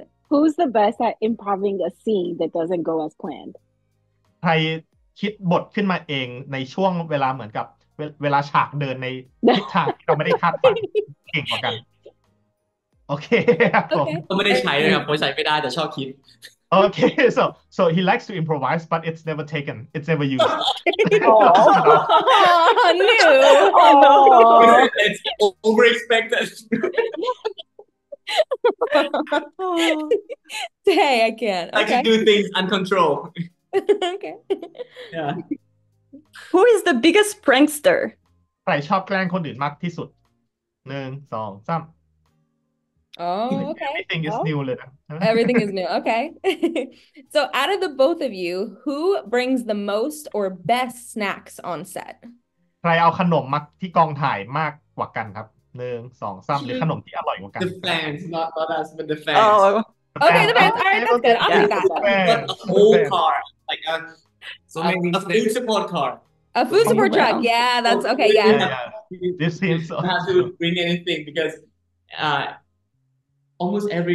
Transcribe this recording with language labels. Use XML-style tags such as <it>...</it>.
<en>Who's the best at improvising a scene that doesn't go as planned?</en> <th>ใครคิดบทขึ้นมาเองในช่วงเวลาเหมือนกับเวลาฉากเดินในทิศทางที่เราไม่ได้คาดฝันเก่งกว่ากันโอเค ผมไม่ได้ใช้เลยครับผมใช้ไม่ได้แต่ชอบคิด</th> <en>Okay, so he likes to improvise, but it's never taken. It's never used. It's overexpected. Hey, I can't. I can do things uncontrolled. Okay. Yeah. Who is the biggest prankster?</en> <th>ใครชอบแกล้งคนอื่นมากที่สุด1 2 3</th> <en>Oh, okay. Everything is new</en> <th>เลยนะ</th> <en>Everything is new. Okay. So, out of the both of you, who brings the most or best snacks on set?</en> <th>ใครเอาขนมมาที่กองถ่ายมากกว่ากันครับ1 2 3หรือขนมที่อร่อยกว่ากัน</th> <en>The fans not us but the fans. Oh. Okay, the band. All right, that's good. I'll take that. A whole car, like a so many a food support car. A food support truck. Yeah, that's okay. Yeah. This seems. You don't have to bring anything because, almost</en>